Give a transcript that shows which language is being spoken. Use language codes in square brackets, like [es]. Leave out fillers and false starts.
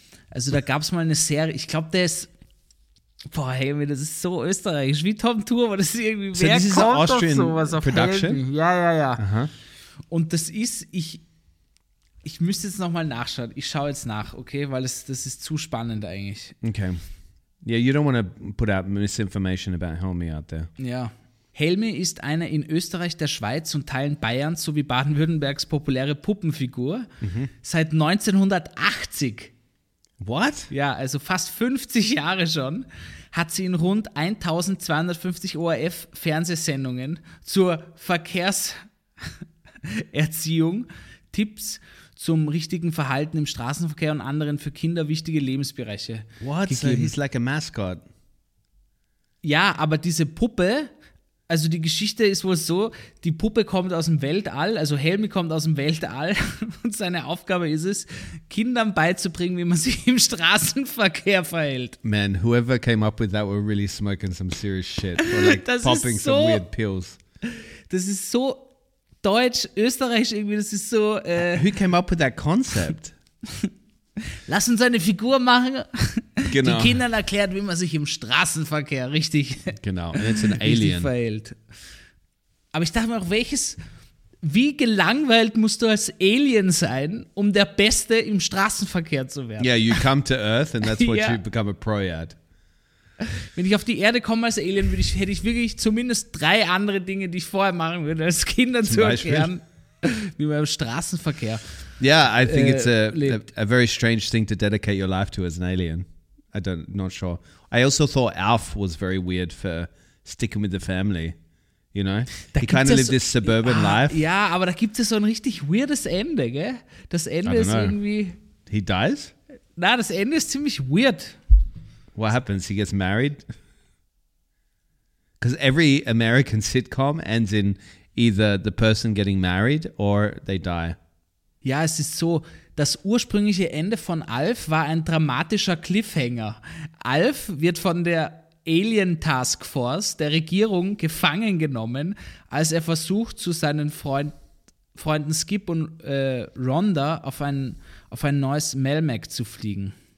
[de] Also da gab es mal eine Serie, ich glaube, der ist, boah, Helmi, das ist so österreichisch, wie Tom Tour, aber das ist irgendwie, so wer [en] this [de] kommt [en] is Austrian [de] auf sowas [en] production? [de] Auf Helmi? Ja, ja, ja. Uh-huh. Und das ist, ich müsste jetzt nochmal nachschauen. Ich schaue jetzt nach, okay? Weil das ist zu spannend eigentlich. [en] Okay. Yeah, you don't want to put out misinformation about Helmi out there. [de] Ja. Helmi ist eine in Österreich, der Schweiz und Teilen Bayerns sowie Baden-Württembergs populäre Puppenfigur seit 1980. [en] What? [de] Ja, also fast 50 Jahre schon, hat sie in rund 1250 ORF-Fernsehsendungen zur Verkehrserziehung Tipps zum richtigen Verhalten im Straßenverkehr und anderen für Kinder wichtige Lebensbereiche. [en] What? So he's like a mascot. [de] Ja, aber diese Puppe, also die Geschichte ist wohl so, die Puppe kommt aus dem Weltall, also Helmi kommt aus dem Weltall und seine Aufgabe ist es, Kindern beizubringen, wie man sich im Straßenverkehr verhält. [en] Man, whoever came up with that were really smoking some serious shit. Or like popping so, some weird pills. [de] Das ist so Deutsch, Österreich, irgendwie, das ist so. [en] Who came up with that concept? [de] Lass uns eine Figur machen, genau. die Kindern erklärt, wie man sich im Straßenverkehr richtig. Genau, und jetzt ein Alien. Verhält. Aber ich dachte mir auch, wie gelangweilt musst du als Alien sein, um der Beste im Straßenverkehr zu werden? [en] Yeah, you come to Earth and that's what you become a pro at. [de] Wenn ich auf die Erde komme als Alien, hätte ich wirklich zumindest drei andere Dinge, die ich vorher machen würde, als Kinder zum zu erklären. Beispiel? Wie beim Straßenverkehr. [en] Yeah, I think it's a very strange thing to dedicate your life to as an alien. Not sure. I also thought Alf was very weird for sticking with the family. You know? [de] Da [en] he kind of lived this suburban life. [de] Ja, aber da gibt es so ein richtig weirdes Ende, gell? Das Ende ist irgendwie... [en] He dies? [de] Na, das Ende ist ziemlich weird. [en] What happens? He gets married? Because every American sitcom ends in either the person getting married or they die. [de] Ja, es ist so, das ursprüngliche Ende von Alf war ein dramatischer Cliffhanger. Alf wird von der Alien Task Force der Regierung gefangen genommen, als er versucht, zu seinen Freunden Skip und Rhonda auf ein neues Melmac zu fliegen.